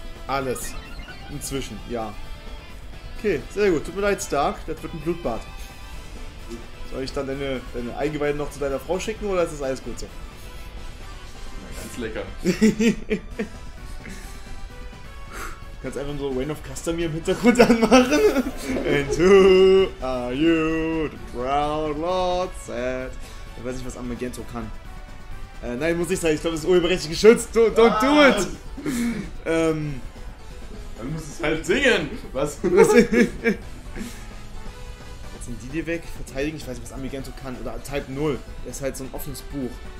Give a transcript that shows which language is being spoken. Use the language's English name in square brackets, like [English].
[German] Alles. Inzwischen, ja. Okay, sehr gut. Tut mir leid, Stark. Das wird ein Blutbad. Soll ich dann deine Eingeweide noch zu deiner Frau schicken oder ist das alles gut so? Na, ganz lecker. Kannst einfach so Rain of Customer im Hintergrund anmachen. [English] And who are you, the proud lord said? [German] Ich weiß nicht, was Amagento kann. Nein, muss ich sagen, ich glaube, das ist urheberrechtlich geschützt. [English] Don't do it! [German] Dann muss es halt singen. Was? Sind die dir weg? Verteidigen? Ich weiß nicht, was Amigento kann. Oder Type 0. Er ist halt so ein offenes Buch.